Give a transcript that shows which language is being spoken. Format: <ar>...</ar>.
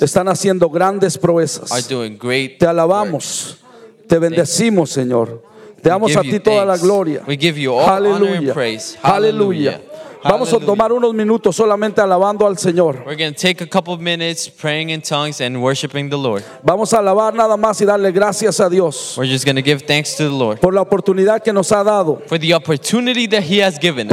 <es>están haciendo grandes proezas.</es> <en>Are doing great.</en> <es>Te alabamos.</es> <en>Works.</en> <es>Te bendecimos, Señor. Te damos a ti toda la gloria.</es> <en>We give you all Hallelujah. Honor and praise.</en> <es>Hallelujah. Vamos a tomar unos minutos solamente alabando al Señor.</es> <en>We're going to take a couple of minutes praying in tongues and worshiping the Lord.</en> <es>Vamos a alabar nada más y darle gracias a Dios.</es> <en>We're just going to give thanks to the Lord.</en> <es>Por la oportunidad que nos ha dado.</es> <en>For the opportunity that he has given us.</en>